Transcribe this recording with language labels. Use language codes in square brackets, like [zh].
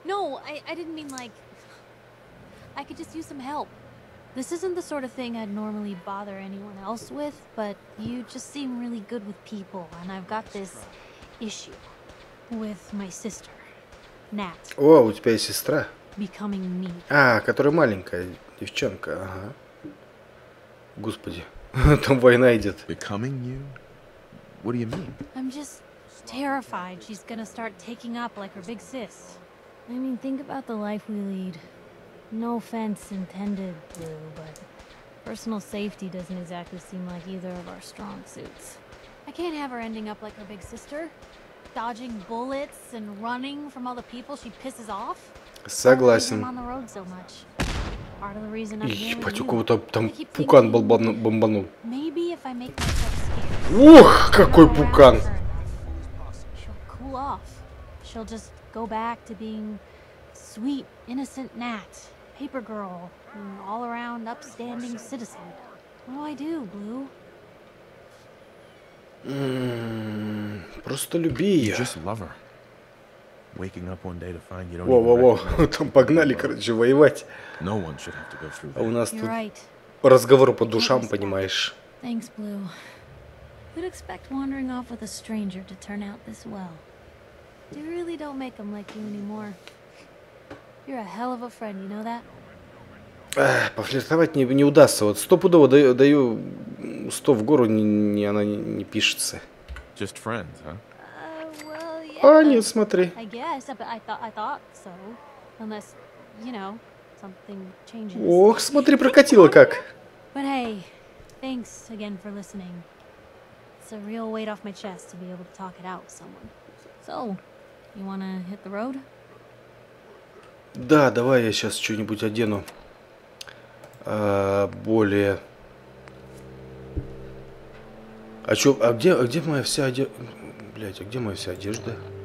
[en] No, I didn't mean like... I could just use some help. This isn't the sort of thing I'd normally bother anyone else with, but you just seem really good with people, and I've got this issue with my sister, Nat. [ru] О, у тебя есть сестра? [en] Becoming me. [ru] А, которая маленькая девчонка, ага. Господи, там война идет. [en] Becoming you? What do you mean? I'm just terrified she's gonna start taking up like her big sis. I mean, think about the life we lead. No offense intended, Blue, but personal safety doesn't exactly seem like either of our strong suits. I can't have her ending up like her big sister, dodging bullets and running from all the people she pisses off. [ru] Согласен. [en] I'm on the road so much. Part of the reason I'm here. [ru] Ебать, у кого-то там пукан бомбанул. [en] Maybe if I make myself scared. [ru] Ух, какой пукан! [en] She'll cool off. She'll just go back to being sweet, innocent Nat. Paper girl, all around upstanding citizen. What do I do, Blue? [ru] Просто люби её. [en] Just love her. Waking up one day to find you don't. [ru] Воу-воу-воу, там погнали, короче, воевать. [en] No one should have to go through. [ru] А у нас тут разговор по душам, понимаешь? [en] Thanks, Blue. Who'd expect wandering off with a stranger to turn out this well? You really don't make them like you anymore. You're a hell of a friend, you know that? [ru] Эх, пофлиртовать не удастся. Вот стопудово даю 100 в гору, она не пишется. [en] Just friends, huh? Well, yeah. [ru] А, нет, смотри. [en] I guess, but I thought so. Unless, you know, something changes. [ru] Ох, смотри, прокатило как. [en] But hey, thanks again for listening. It's a real weight off my chest to be able to talk it out with someone. So, you wanna hit the road? [ru] Да, давай я сейчас что-нибудь одену более. А чё, а где моя вся одежда? Блять, а где моя вся одежда?